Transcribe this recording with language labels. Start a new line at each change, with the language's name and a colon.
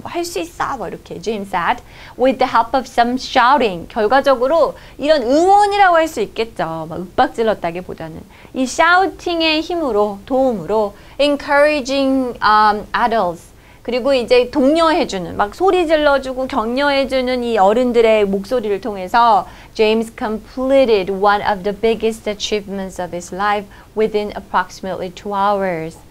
Korean: 뭐 할 수 있어, 뭐 이렇게.
English: James said, with the help of some shouting.
Korean: 결과적으로 이런 응원이라고 할 수 있겠죠. 막 윽박 질렀다기보다는. 이 shouting의 힘으로, 도움으로,
English: encouraging adults.
Korean: 그리고 이제 독려해주는, 막 소리 질러주고 격려해주는 이 어른들의 목소리를 통해서
English: James completed one of the biggest achievements of his life within approximately 2 hours.